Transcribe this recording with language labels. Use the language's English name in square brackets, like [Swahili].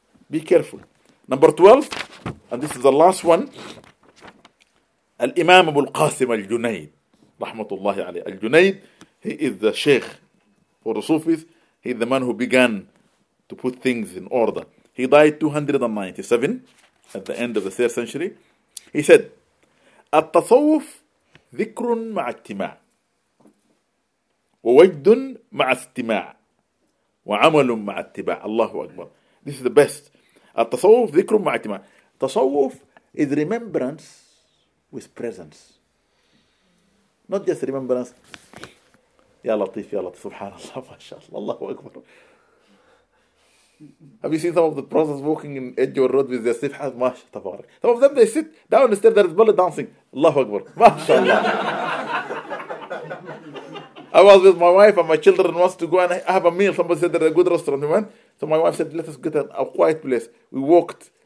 [English] Be careful. Number 12, and this is the last one. Al-Imam Abu al-Qasim al-Junayd. Rahmatullahi alayhi. Al-Junayd, he is the sheikh for the Sufis. He is the man who began to put things in order. He died 297 at the end of the 3rd century. He said, [Arabic] التصوف ذكر مع اجتماع ووجد مع استماع وعمل مع اتباع. الله أكبر. [English] This is the best. [Arabic] التصوف ذكر مع اجتماع. [English] تصوف is remembrance with presence. Not just remembrance. [Arabic] يا لطيف يا لطيف سبحان الله ما شاء الله الله أكبر. [English] Have you seen some of the brothers walking in edge of road with their sifhas? Masha tabarak. Some of them, they sit down instead, there is bala dancing. Allahu Akbar. MashaAllah. I was with my wife and my children wants to go and have a meal. Somebody said there's a good restaurant. We went. So my wife said, let us get a quiet place. We walked.